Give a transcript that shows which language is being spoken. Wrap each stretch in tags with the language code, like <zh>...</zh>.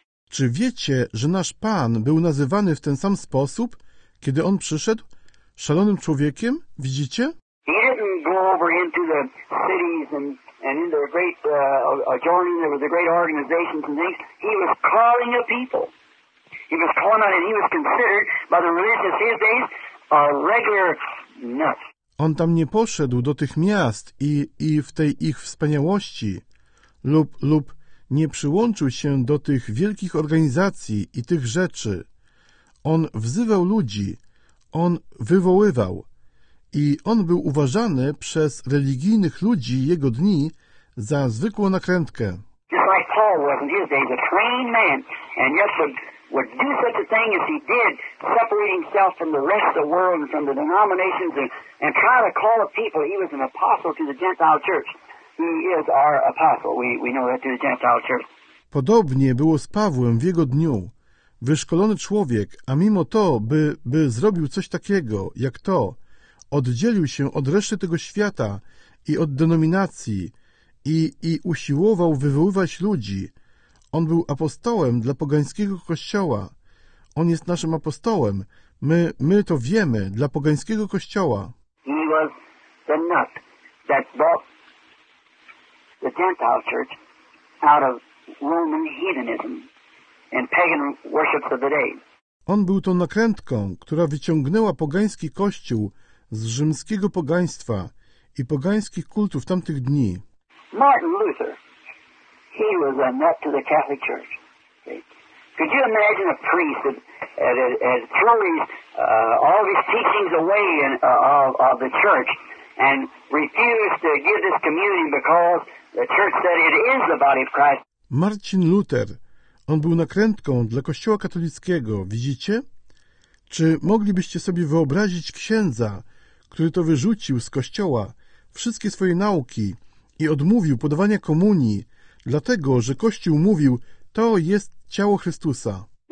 <pl>Czy wiecie, że nasz Pan był nazywany w ten sam sposób, kiedy on przyszedł? Szalonym człowiekiem? Widzicie?</pl> <en>He didn't go over into the cities and in their great adjoining, there were the great organizations and things. He was calling a people. He was tormented. He was considered by the religious his days a regular nut.</en> <pl>On tam nie poszedł do tych miast i w tej ich wspaniałości lub nie przyłączył się do tych wielkich organizacji i tych rzeczy. On wzywał ludzi, on wywoływał i on był uważany przez religijnych ludzi jego dni za zwykłą nakrętkę.</pl> <en>Just like Paul was in his day, a trained man, and yet would do such a thing as he did, separate himself from the rest of the world and from the denominations and try to call a people. He was an apostle to the Gentile church. He is our apostle. We know that to the Gentile church.</en> <pl>Podobnie było z Pawłem w jego dniu. Wyszkolony człowiek, a mimo to, by zrobił coś takiego, jak to, oddzielił się od reszty tego świata i od denominacji i usiłował wywoływać ludzi. On był apostołem dla pogańskiego kościoła. On jest naszym apostołem. My to wiemy, dla pogańskiego kościoła.</pl> <en>He was the nut that brought the Gentile church out of Roman heathenism and pagan worships of the day.</en> <pl>On był tą nakrętką, która wyciągnęła pogański kościół z rzymskiego pogaństwa i pogańskich kultów tamtych dni.</pl> <en>Martin Luther, he was a nut to the Catholic Church. Could you imagine a priest that threw all of his teachings away of the church and refused to give this communion because the church said it is the body of Christ? Martin Luther.</en> <pl>On był nakrętką dla Kościoła katolickiego, widzicie? Czy moglibyście sobie wyobrazić księdza, który to wyrzucił z Kościoła wszystkie swoje nauki i odmówił podawania komunii, dlatego że Kościół mówił, to jest ciało Chrystusa?</pl>